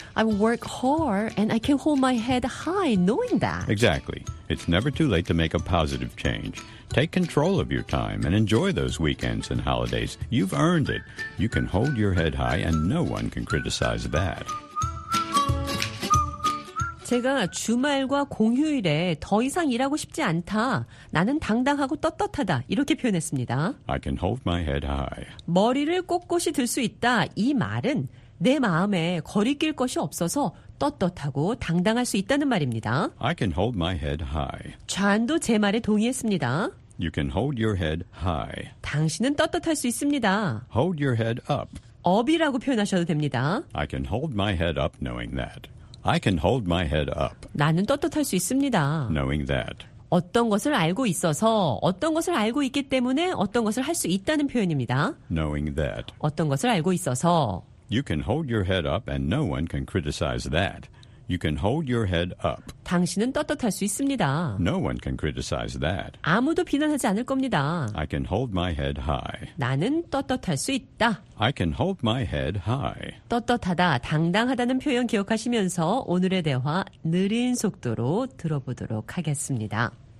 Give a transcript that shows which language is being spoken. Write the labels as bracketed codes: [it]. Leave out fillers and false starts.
[en] I work hard and I can hold my head high knowing that. Exactly. It's never too late to make a positive change. Take control of your time and enjoy those weekends and holidays. You've earned it. You can hold your head high and no one can criticize that. [ko] 제가 주말과 공휴일에 더 이상 일하고 싶지 않다. 나는 당당하고 떳떳하다. 이렇게 표현했습니다. [en] I can hold my head high. [ko] 머리를 꼿꼿이 들 수 있다. 이 말은 내 마음에 거리낄 것이 없어서 떳떳하고 당당할 수 있다는 말입니다. [en] I can hold my head high. [ko] 좌안도 제 말에 동의했습니다. [en] You can hold your head high. [ko] 당신은 떳떳할 수 있습니다. [en] Hold your head up. [ko] 업이라고 표현하셔도 됩니다. [en] I can hold my head up knowing that. I can hold my head up. [ko] 나는 떳떳할 수 있습니다. [en] Knowing that. [ko] 어떤 것을 알고 있어서 어떤 것을 알고 있기 때문에 어떤 것을 할 수 있다는 표현입니다. [en] Knowing that. [ko] 어떤 것을 알고 있어서 [en] You can hold your head up and no one can criticize that. You can hold your head up. [ko] 당신은 떳떳할 수 있습니다. [en] No one can criticize that. [ko] 아무도 비난하지 않을 겁니다. [en] I can hold my head high. [ko] 나는 떳떳할 수 있다. [en] I can hold my head high. [ko] 떳떳하다, 당당하다는 표현 기억하시면서 오늘의 대화 느린 속도로 들어보도록 하겠습니다.